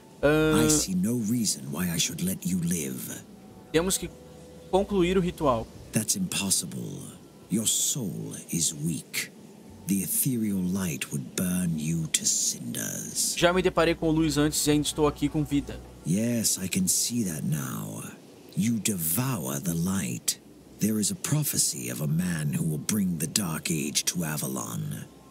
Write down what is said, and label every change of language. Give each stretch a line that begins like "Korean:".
English: I see no reason why I should let you live.
Portuguese: Temos que concluir o ritual.
English: That's impossible. Your soul is weak. The ethereal light would burn you to cinders.
Portuguese: Já me deparei com luz antes e ainda estou aqui com vida.
English: Yes, I can see that now. You devour the light. There is a prophecy of a man who will bring the Dark Age to Avalon.